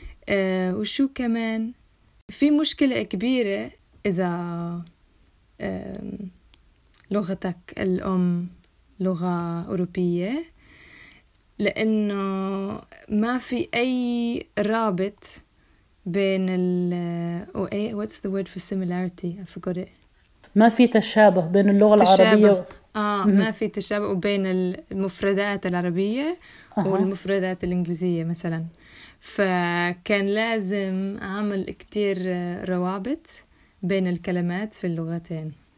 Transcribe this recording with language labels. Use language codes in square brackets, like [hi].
[ar] وشو كمان، في مشكلة كبيرة إذا لغتك الأم لغة أوروبية، لأنه ما في أي رابط بين ال أو إيه [en] what's the word for similarity I forgot it. [ar] ما في تشابه بين اللغة العربية و... ما في تشابه بين المفردات العربية والمفردات الإنجليزية مثلا. فكان لازم أعمل كتير روابط بين الكلمات في اللغتين.